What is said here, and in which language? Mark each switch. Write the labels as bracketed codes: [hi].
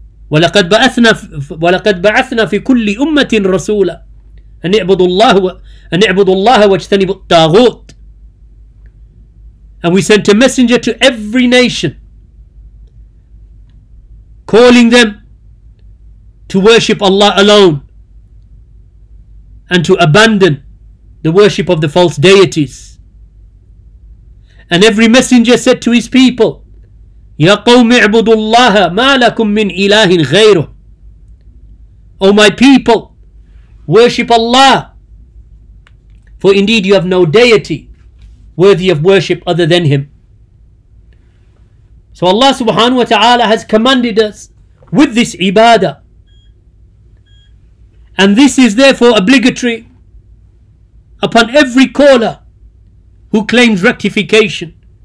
[ar] وَلَقَدْ بَعَثْنَا فِي كُلِّ أُمَّةٍ رَسُولًا أَنِعْبُدُ اللَّهَ وَاجْتَنِبُ الطَّاغُوتِ. [en] And we sent a messenger to every nation, calling them to worship Allah alone and to abandon the worship of the false deities. And every messenger said to his people, [ar] يَا قَوْمِ اعْبُدُ اللَّهَ مَا لَكُمْ مِنْ إِلَهٍ غَيْرُهُ. [en] O my people, worship Allah, for indeed you have no deity worthy of worship other than him. So Allah subhanahu wa ta'ala has commanded us with this ibadah, and this is therefore obligatory upon every caller who claims rectification.